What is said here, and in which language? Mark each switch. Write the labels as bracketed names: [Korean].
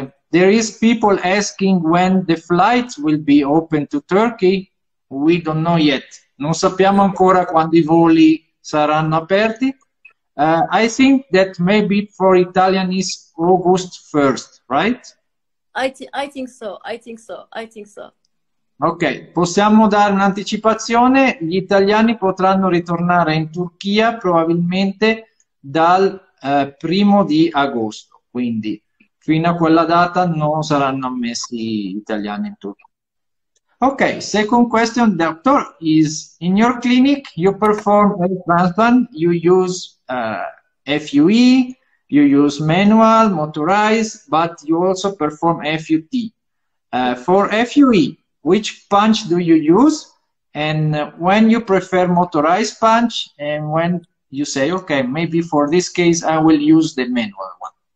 [English] There is people asking when the flights will be open to Turkey. We don't know yet. [Italian] Non sappiamo ancora quando i voli saranno aperti. [English] I think that maybe for Italian is August 1st, right? I think so. [Italian] Ok, possiamo dare un'anticipazione. Gli italiani potranno ritornare in Turchia probabilmente dal primo di agosto, quindi fino a quella data non saranno ammessi gli italiani in Turchia. [English] Okay, second question, doctor, is in your clinic you perform a transplant, you use FUE, you use manual, motorized, but you also perform FUT. For FUE, which punch do you use, and when you prefer motorized punch, and when you say, okay, maybe for this case I will use the manual one?